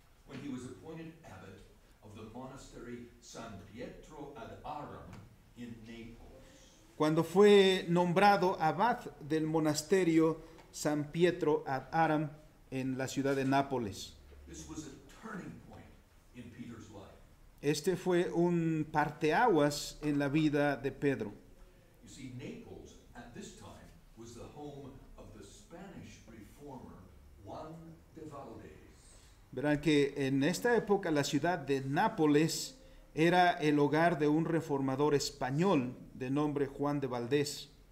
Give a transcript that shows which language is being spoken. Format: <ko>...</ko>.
<en>When he was appointed abbot of the monastery San Pietro ad Aram in Naples.</en> <es>Cuando fue nombrado abad del monasterio San Pietro ad Aram en la ciudad de Nápoles.</es> <en>This was a turning point in Peter's life.</en> <es>Este fue un parteaguas en la vida de Pedro.</es> <en>You see, Naples at this time was the home of the Spanish reformer Juan de Valdez.</en> <es>Verán que en esta época la ciudad de Nápoles era el hogar de un reformador español de nombre Juan de Valdez.</es>